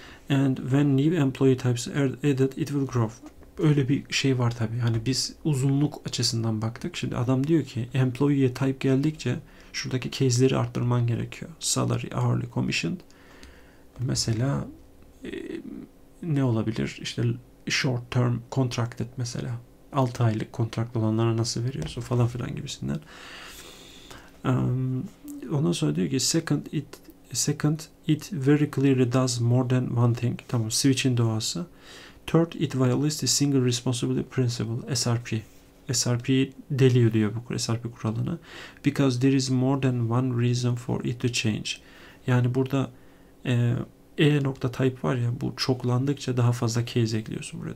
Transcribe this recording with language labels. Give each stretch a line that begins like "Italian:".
English: And when new employee types are added, it will grow.
Turkish: Öyle bir şey var tabii. Hani biz uzunluk açısından baktık. Şimdi adam diyor ki employee type geldikçe şuradaki case'leri arttırman gerekiyor. Salary, hourly, commission. Mesela ne olabilir? İşte
English: short term contracted
Turkish: mesela. 6 aylık kontraklı olanlara nasıl veriyorsun falan filan gibisinden. Ondan sonra diyor ki
English: second it very clearly does more than one thing.
Turkish: Tamam, switch'in doğası.
English: Third, it violates the single responsibility principle, SRP.
Turkish: SRP deliyor diyor bu SRP kuralını.
English: Because there is more than one reason for it to change.
Turkish: Yani burada E nokta type var ya, bu çoklandıkça daha fazla case ekliyorsun buraya.